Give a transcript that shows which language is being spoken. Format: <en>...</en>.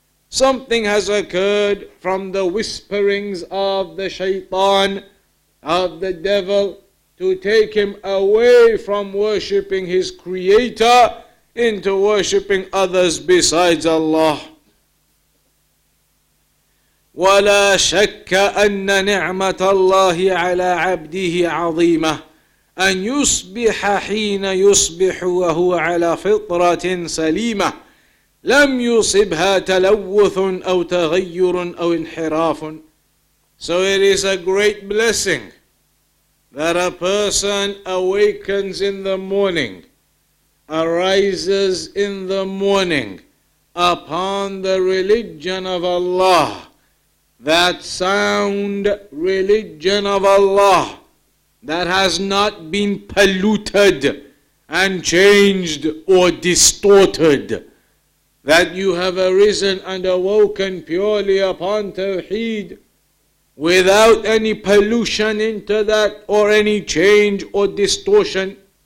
<en>Something has occurred from the whisperings of the shaitan, of the devil, to take him away from worshipping his creator into worshipping others besides Allah.</en> <ar>وَلَا شَكَّ أَنَّ نِعْمَةَ اللَّهِ عَلَىٰ عَبْدِهِ عَظِيمَةً أن يصبح حين يصبح وهو على فطرة سليمة لم يصبها تلوث أو تغير أو انحراف.</ar> <en>So it is a great blessing that a person awakens in the morning, arises in the morning upon the religion of Allah, that sound religion of Allah that has not been polluted and changed or distorted, that you have arisen and awoken purely upon Tawheed without any pollution into that or any change or distortion.</en>